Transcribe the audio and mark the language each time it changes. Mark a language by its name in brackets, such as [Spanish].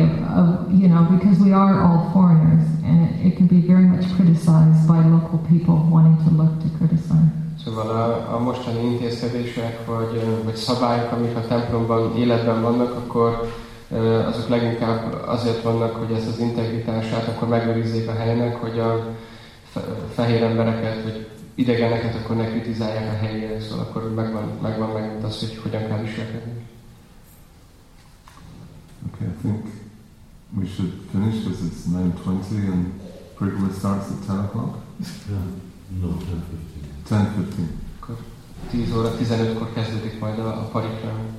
[English] of, you know, because we are all foreigners, and it can be very much criticized by local people wanting to look to criticize. [Hungarian] Szóval a mostani intézkedések vagy szabályok, amik a templomban életben vannak, akkor azok leginkább azért vannak, hogy ez az integritását akkor megőrizzék a helynek, hogy a fehér embereket, vagy idegeneket akkor ne kritizálják a helyén, szóval akkor megvan megint az, hogy hogyan kell viselkedni. [English] Okay, I think we should finish because it's 9:20 and pre-class starts at 10 o'clock. No, 10:15. 10:15. [Hungarian] 10:15-kor kezdődik majd a parikra.